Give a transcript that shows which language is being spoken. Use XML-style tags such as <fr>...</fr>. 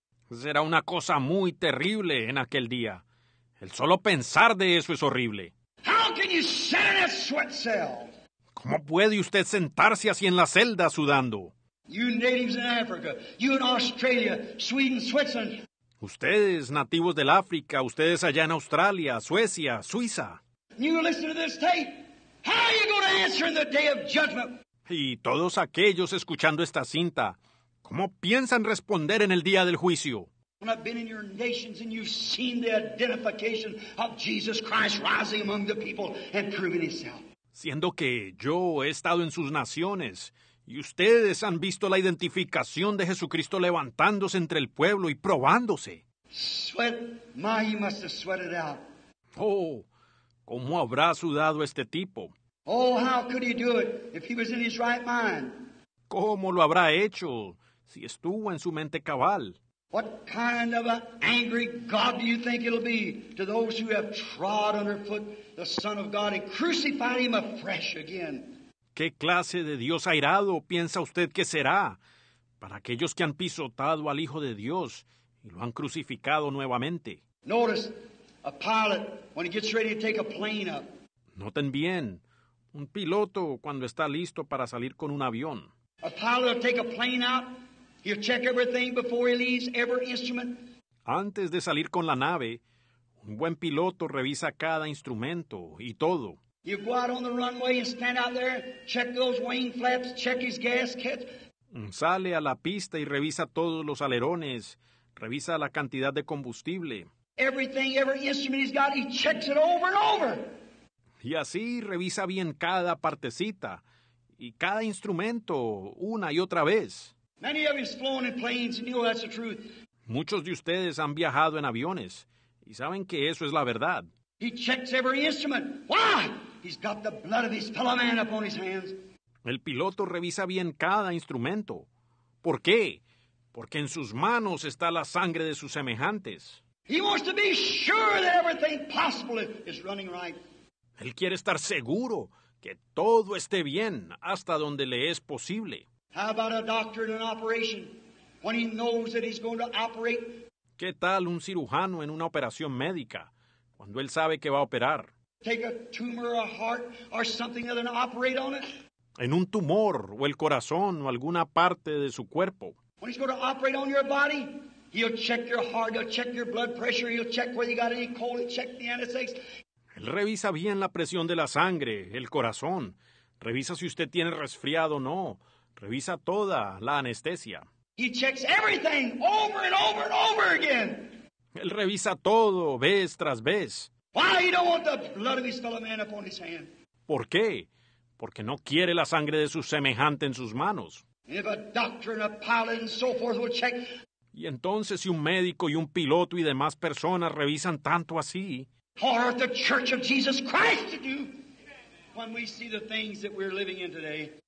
<es>Será una cosa muy terrible en aquel día. El solo pensar de eso es horrible.</es> <en>How can you sit in a sweat cell?</en> <es>¿Cómo puede usted sentarse así en la celda sudando?</es> <en>You natives in Africa, you in Australia, Sweden, Switzerland.</en> <es>Ustedes, nativos del África, ustedes allá en Australia, Suecia, Suiza.</es> <en>You listen to this tape. How are you going to answer in the day of judgment?</en> <es>Y todos aquellos escuchando esta cinta, ¿cómo piensan responder en el día del juicio?</es> <en>When I've been in your nations and you've seen the identification of Jesus Christ rising among the people and proving himself.</en> <es>Siendo que yo he estado en sus naciones y ustedes han visto la identificación de Jesucristo levantándose entre el pueblo y probándose.</es> <en>Sweat, my, he must have sweated out.</en> <es>Oh, ¿cómo habrá sudado este tipo?</es> <en>Oh, how could he do it if he was in his right mind?</en> <es>¿Cómo lo habrá hecho si estuvo en su mente cabal?</es> <en>What kind of an angry God do you think it'll be to those who have trod underfoot the Son of God and crucified him afresh again?</en> <es>¿Qué clase de Dios airado piensa usted que será para aquellos que han pisotado al Hijo de Dios y lo han crucificado nuevamente?</es> <en>Notice a pilot when he gets ready to take a plane up.</en> <es>Noten bien, un piloto cuando está listo para salir con un avión.</es> <en>A pilot will take a plane up. You check everything before he leaves, every instrument.</en> <es>Antes de salir con la nave, un buen piloto revisa cada instrumento y todo.</es> <en>You go out on the runway and stand out there, check those wing flaps, check his gasket.</en> <es>Sale a la pista y revisa todos los alerones, revisa la cantidad de combustible.</es> <en>Everything, every instrument he's got, he checks it over and over.</en> <es>Y así revisa bien cada partecita y cada instrumento una y otra vez.</es> <en>Many of you have flown in planes, and you know that's the truth.</en> <es>Muchos de ustedes han viajado en aviones, y saben que eso es la verdad.</es> <en>He checks every instrument. Why? He's got the blood of his fellow man upon his hands.</en> <es>El piloto revisa bien cada instrumento. ¿Por qué? Porque en sus manos está la sangre de sus semejantes.</es> <en>He wants to be sure that everything possible is running right.</en> <es>Él quiere estar seguro que todo esté bien hasta donde le es posible.</es> <en>How about a doctor in an operation when he knows that he's going to operate?</en> <es>¿Qué tal un cirujano en una operación médica cuando él sabe que va a operar?</es> <en>Take a tumor, a heart, or something other than operate on it.</en> <es>En un tumor o el corazón o alguna parte de su cuerpo.</es> <en>When he's going to operate on your body, he'll check your heart, he'll check your blood pressure, he'll check whether you got any cold, he'll check the anesthetics.</en> <es>Él revisa bien la presión de la sangre, el corazón. Revisa si usted tiene resfriado o no. Revisa toda la anestesia.</es> <en>He checks everything over and over and over again.</en> <es>Él revisa todo, vez tras vez.</es> <en>Why he don't want the blood of his fellow man upon his hand?</en> <es>¿Por qué? Porque no quiere la sangre de su semejante en sus manos.</es> <en>If a doctor and a pilot and so forth will check.</en> <es>Y entonces si un médico y un piloto y demás personas revisan tanto así.</es> <en>Or if the Church of Jesus Christ to do when we see the things that we're living in today.</en>